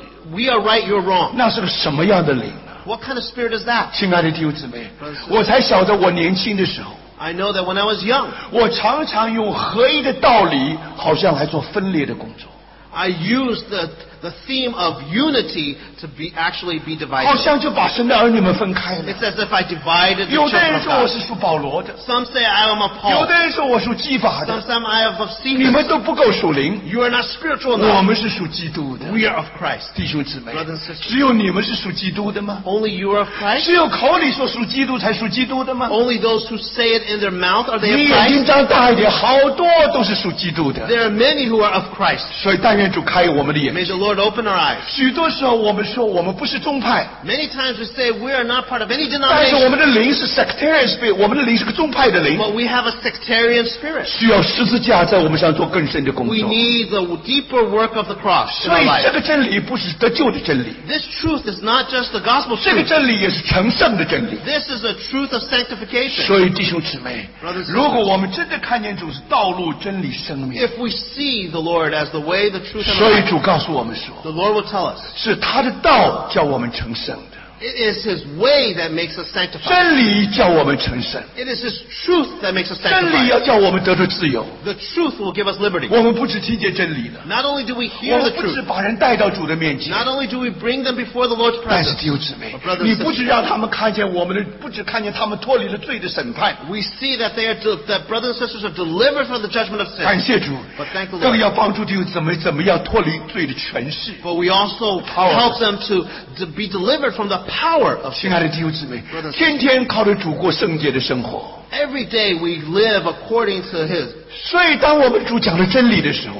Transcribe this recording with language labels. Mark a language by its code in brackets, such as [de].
[en] We are right, you're wrong. [zh] 那是个什么样的灵呢 [en] What kind of spirit is that? [zh] 亲爱的弟兄姊妹，我才晓得我年轻的时候 [en] I know that when I was young, [zh] 我常常用合一的道理，好像来做分裂的工作。 [en] I used the theme of unity to be actually be divided. [zh] 好像就把神的儿女们分开了。 [en] It's as if I divided the church. [zh] 有的人说我是属保罗的。 [en] Some say I am a Paul. [zh] 有的人说我属基法的。 [en] Some say I am a Cephas. [zh] 你们都不够属灵。 [en] You are not spiritual enough. [zh] 我们是属基督的。 [en] We are of Christ. [zh] 弟兄姊妹。 [en] Brothers and sisters. [zh] 只有你们是属基督的吗 [en] ？Only you are of Christ. [zh] 只有口里说属基督才属基督的吗 [en] ？Only those who say it in their mouth are they of Christ. [zh] 你眼睛张大一点，好多都是属基督的。 [en] There are many who are of Christ. [zh] 所以但愿主开我们的眼睛。 [en] Lord, open our eyes. [zh] 许多时候我们说我们不是宗派。 [en] Many times we say we are not part of any denomination. [zh] 但是我们的灵是 [en] sectarian spirit， [zh] 我们的灵是个宗派的灵。 [en] But we have a sectarian spirit. [zh] 需要十字架在我们上做更深的工作。 [en] We need the deeper work of the cross. [zh] 所以这个真理不是得救的真理。 [en] This truth is not just the gospel truth. [zh] 这个真理也是成圣的真理。 [en] This is a truth of sanctification. [zh] 所以弟兄姊妹 [en] ，brothers， [zh] 如果我们真的看见主是道路、真理、生命 [en] ，if we see the Lord as the way, the truth, and the life， [zh] 所以主告诉我们。 [en] The Lord will tell us. [zh] 是他的道叫我们成圣的。 [en] It is His way that makes us sanctified. [zh] 真理叫我们成圣。 [en] It is His truth that makes us sanctified. [zh] 真理要叫我们得着自由。 [en] The truth will give us liberty. [zh] 我们不只听见真理的。 [en] Not only do we hear the truth. [zh] 我们不只把人带到主的面前。 [en] Not only do we bring them before the Lord's presence. [zh] 但是弟兄姊妹，你不只让他们看见我们的，不只看见他们脱离了罪的审判。 [en] We see that they are that brothers and sisters are delivered from the judgment of sin. [zh] 感谢主。 [en] But thank the Lord. [zh] 更要帮助弟兄姊妹怎么样脱离罪的权势。 [en] But we also help them to be delivered from the power of faith. [zh] 亲爱的弟兄姊妹，天天靠着主过圣洁的生活。 [en] Every day we live according to His. [zh] 所以当我们主讲了真理的时候,